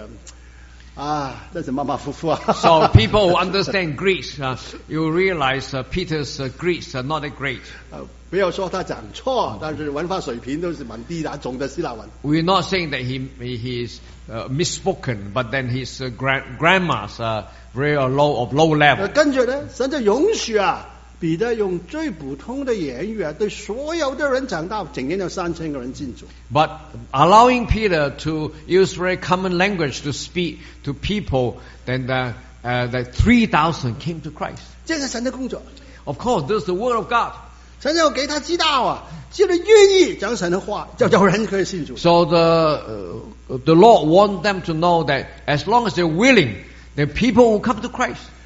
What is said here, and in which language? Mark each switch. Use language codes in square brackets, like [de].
[zh] 每一个懂得希腊文的圣经的，不要说是学者啊，都知道彼得的希腊文真是马马虎虎啊。 [en] So people who understand Greek, you realize Peter's Greek are not that great. [zh] 不要说他讲错，但是文化水平都是蛮低的，懂得希腊文。 [en] We're not saying that he is misspoken, but then his grammars are very low level. [zh] 跟着呢，神就允许啊，彼得用最普通的言语啊，对所有的人讲道，整天有3000个人信主。 [en] But allowing Peter to use very common language to speak to people, then the 3,000 came to Christ. [zh] 这是神的工作。 [en] Of course, this is the word of God. [zh] 神要给他知道啊，就是愿意讲神的话，叫人可以信主。 [en] So the Lord wants them to know that as long as they're willing, the people will come to Christ.